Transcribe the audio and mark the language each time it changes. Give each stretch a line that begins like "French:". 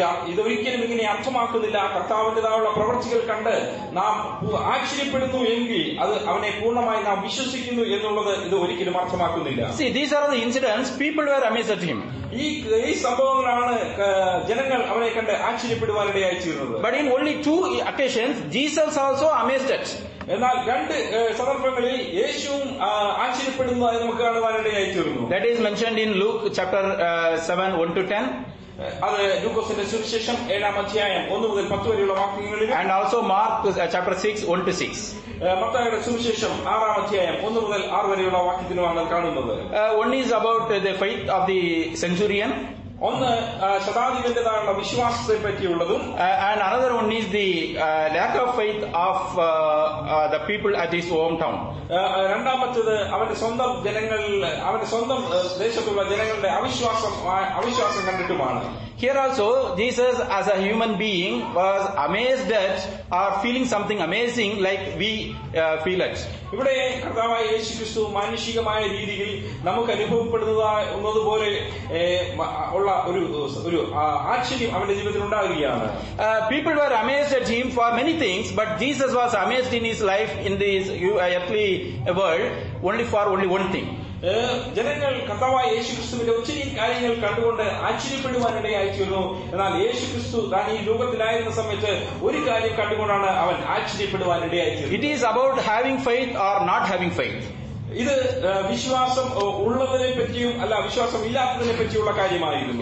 Malayalam: ഇതൊരിക്കലും ഇങ്ങനെ അർത്ഥമാക്കുന്നില്ല, കർത്താവിന്റേതായുള്ള പ്രവൃത്തികൾ കണ്ട് നാം ആശ്ചര്യപ്പെടുന്നു എങ്കിൽ അത് അവനെ പൂർണ്ണമായി നാം വിശ്വസിക്കുന്നു എന്നുള്ളത് ഇത് ഒരിക്കലും അർത്ഥമാക്കുന്നില്ല.
English: See, these are the incidents people were amazed at him.
Malayalam: ഈ സംഭവങ്ങളാണ് ജനങ്ങൾ അവനെ കണ്ട് ആശ്ചര്യപ്പെടുവാനിടയായി ചേരുന്നത്.
English: But in only two occasions Jesus also amazed at.
Malayalam: എന്നാൽ രണ്ട് സന്ദർഭങ്ങളിൽ യേശുവും ആശ്ചര്യപ്പെടുന്നതായി നമുക്ക് കാണുവാനിടയായി ചേരുന്നു.
English: That is mentioned in Luke chapter 7:1-10.
Malayalam: അത് ലൂക്കോസിന്റെ സുവിശേഷം 7:1-10 വാക്യങ്ങളിൽ.
English: And also Mark chapter 6:1-6.
Malayalam: മത്തായിയുടെ സുവിശേഷം 6:1-6 വാക്യത്തിലുമാണ് കാണുന്നത്.
English: One is about the faith of the centurion.
Malayalam: ഒന്ന് ശതാധിപന്റേതായുള്ള വിശ്വാസത്തെ പറ്റിയുള്ളതും.
English: And another one is the lack of faith of the people at his hometown.
Malayalam: രണ്ടാമത്തേത് അവന്റെ സ്വന്തം ദേശത്തുള്ള ജനങ്ങളുടെ അവിശ്വാസം കണ്ടിട്ടുമാണ്.
English: Here also, Jesus as a human being was amazed at or feeling something amazing like we feel it.
Malayalam: ഇവിടെ കർത്താവായ യേശു ക്രിസ്തു മാനുഷികമായ രീതിയിൽ നമുക്ക് അനുഭവപ്പെടുന്നതുപോലെ ഉള്ള ഒരു ഒരു ആശ്ചര്യം അവന്റെ ജീവിതത്തിൽ ഉണ്ടാവുകയാണ്.
English: People were amazed at him for many things, but Jesus was amazed in his life in this earthly world only for only one thing.
Malayalam: ജനങ്ങൾ കർത്താവായ യേശു ക്രിസ്തുവിന്റെ ഒത്തിരി കാര്യങ്ങൾ കണ്ടുകൊണ്ട് ആശ്ചര്യപ്പെടുവാനിടയായിരുന്നു. എന്നാൽ യേശു ക്രിസ്തു താൻ ഈ ലോകത്തിലായിരുന്ന സമയത്ത് ഒരു കാര്യം കണ്ടുകൊണ്ടാണ് അവൻ ആശ്ചര്യപ്പെടുവാനിടയായിരുന്നു.
English: It is about having faith or not having faith.
Malayalam: ഇത് വിശ്വാസം ഉള്ളതിനെ പറ്റിയും അല്ല വിശ്വാസം ഇല്ലാത്തതിനെ പറ്റിയുള്ള കാര്യമായിരുന്നു.